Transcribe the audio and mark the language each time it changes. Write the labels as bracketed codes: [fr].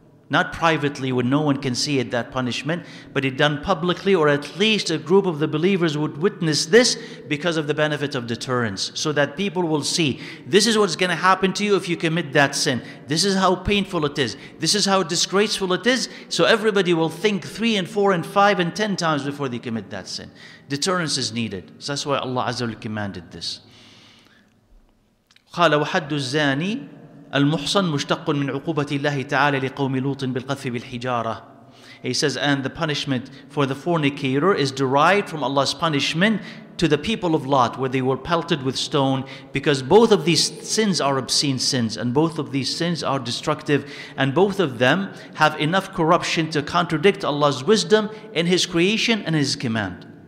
[en] Not privately when no one can see it, that punishment, but it done publicly, or at least a group of the believers would witness this because of the benefit of deterrence, so that people will see, this is what's going to happen to you if you commit that sin. This is how painful it is. This is how disgraceful it is. So everybody will think 3 and 4 and 5 and 10 times before they commit that sin. Deterrence is needed. So that's why Allah Azza wa Jalla commanded this. [ar] قَالَ وَحَدُّ الزَّانِي المحصن مشتق من عقوبة الله تعالى لقوم لوط بالقذف بالحجارة. [en] He says, and the punishment for the fornicator is derived from Allah's punishment to the people of Lot, where they were pelted with stone, because both of these sins are obscene sins, and both of these sins are destructive, and both of them have enough corruption to contradict Allah's wisdom in His creation and His command.